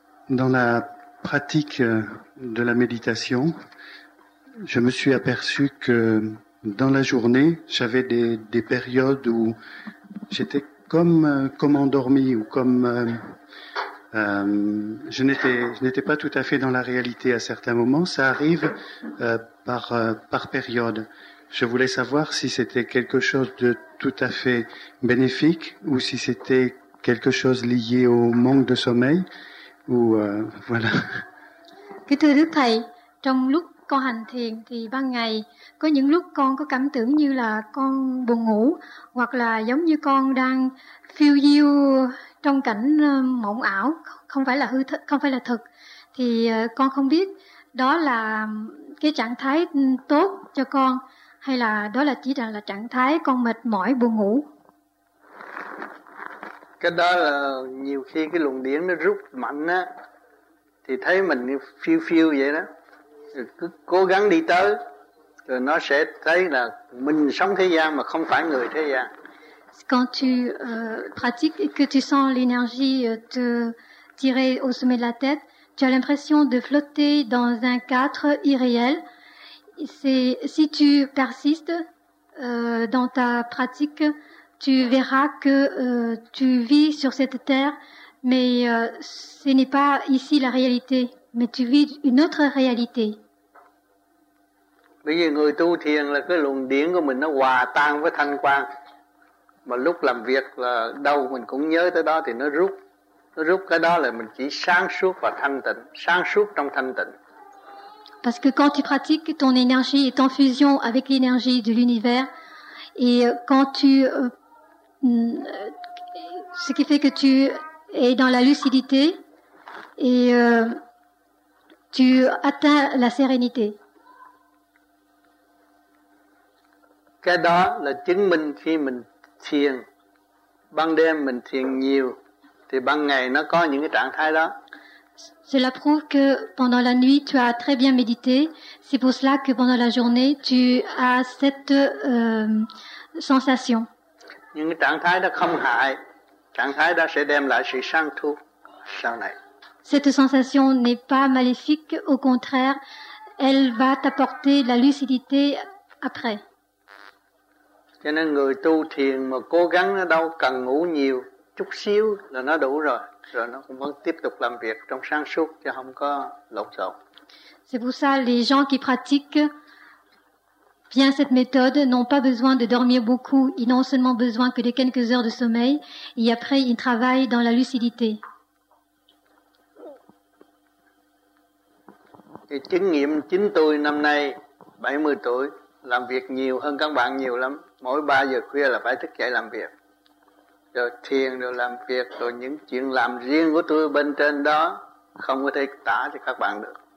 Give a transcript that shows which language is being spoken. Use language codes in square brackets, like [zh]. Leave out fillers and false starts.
[fr] Dans la pratique de la méditation, je me suis aperçu que dans la journée, j'avais des périodes où j'étais comme endormi ou comme je n'étais pas tout à fait dans la réalité à certains moments. Ça arrive par période. Je voulais savoir si c'était quelque chose de tout à fait bénéfique ou si c'était quelque chose lié au manque de sommeil. Ou voilà. [vi] Kính thưa Đức Thầy, trong lúc con hành thiền thì ban ngày có những lúc con có cảm tưởng như là con buồn ngủ hoặc là giống như con đang phiêu diêu trong cảnh mộng ảo, không phải là hư thực, không phải là thực, thì con không biết đó là cái trạng thái tốt cho con hay là đó là chỉ là trạng thái con mệt mỏi buồn ngủ. Cái đó là nhiều khi cái luồng điển nó rút mạnh á thì thấy mình phiêu phiêu vậy đó, cứ cố gắng đi tới rồi nó sẽ thấy là mình sống thế gian mà không phải người thế gian. [fr] Quand tu pratiques et que tu sens l'énergie te tirer au sommet de la tête, tu as l'impression de flotter dans un cadre irréel. C'est, si tu persistes dans ta pratique, tu verras que tu vis sur cette terre, mais ce n'est pas ici la réalité, mais tu vis une autre réalité. [vi] Bởi vì người tu thiền là cái luồng điển của mình nó hòa tan với thanh quang. Mà lúc làm việc là đâu mình cũng nhớ tới đó thì nó rút. Nó rút cái đó là mình chỉ sáng suốt và thanh tịnh, sáng suốt trong thanh tịnh. [fr] Parce que quand tu pratiques, ton énergie est en fusion avec l'énergie de l'univers. Et quand tu... ce qui fait que tu es dans la lucidité et tu atteins la sérénité. [vi] Cái đó là chứng minh khi mình thiền, ban đêm mình thiền nhiều, thì ban ngày nó có những cái trạng thái đó. [fr] Cela prouve que pendant la nuit tu as très bien médité. C'est pour cela que pendant la journée tu as cette sensation. [vi] Những trạng thái đó không hại, trạng thái đó sẽ đem lại sự sáng suốt sau này. [fr] Cette sensation n'est pas maléfique, au contraire, elle va t'apporter la lucidité après. [vi] Cho nên người tu thiền mà cố gắng nó đâu cần ngủ nhiều, chút xíu là nó đủ rồi. Rồi nó cũng vẫn tiếp tục làm việc trong sáng suốt chứ không có lộn xộn. [fr] C'est pour ça les gens qui pratiquent bien cette méthode n'ont pas besoin de dormir beaucoup, ils n'ont seulement besoin que de quelques heures de sommeil et après ils travaillent dans la lucidité. [vi] Cái kinh nghiệm chính tôi năm nay 70 tuổi làm việc nhiều hơn các bạn nhiều lắm. Mỗi 3 giờ khuya là phải thức dậy làm việc. Rồi thiền rồi làm việc rồi những chuyện làm riêng của tôi bên trên đó không có thể tả cho các bạn được.